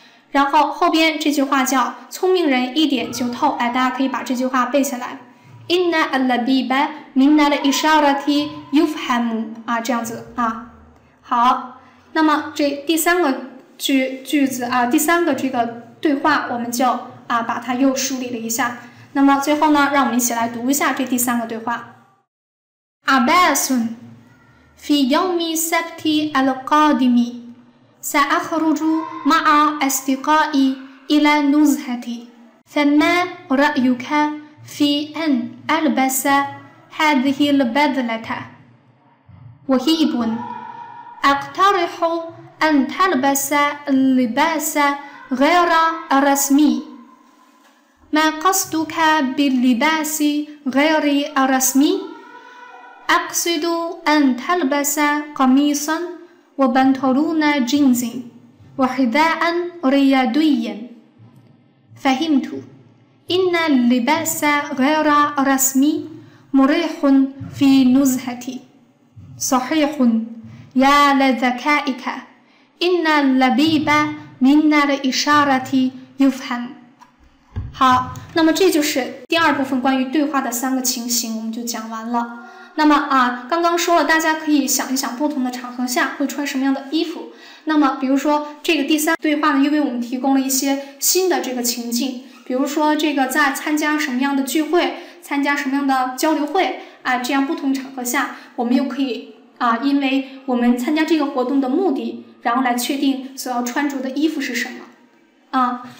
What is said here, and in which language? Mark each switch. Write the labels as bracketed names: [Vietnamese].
[Chinese] 然后后边这句话叫聪明人一点就透，哎，大家可以把这句话背下来 [Arabic] inna al-labiba minna al-isharati yufham [Chinese] 啊，这样子啊。好，那么这第三个句子啊，第三个这个对话我们就啊把它又梳理了一下。那么最后呢，让我们一起来读一下这第三个对话。 [Arabic] Abbasun fi yawmi sabti al-qadimi سأخرج مع أصدقائي إلى نزهتي فما رأيك في أن ألبس ها هذه البذلة. وهيب أقترح أن تلبس اللباس غير الرسمي. ما قصدك باللباس غير الرسمي؟ أقصد أن تلبس قميصا وبنطلون جينز وحذاء رياضيا. فهمت. إن اللباس غير رسمي مريح في نزهتي. صحيح. يا لذكائك، إن اللبيب من الإشارة يفهم. [Chinese] 好，那么这就是第二部分关于对话的三个情形，我们就讲完了。那么啊，刚刚说了，大家可以想一想不同的场合下会穿什么样的衣服。那么比如说这个第三对话呢，又为我们提供了一些新的这个情境，比如说这个在参加什么样的聚会，参加什么样的交流会啊，这样不同场合下我们又可以啊，因为我们参加这个活动的目的，然后来确定所要穿着的衣服是什么啊。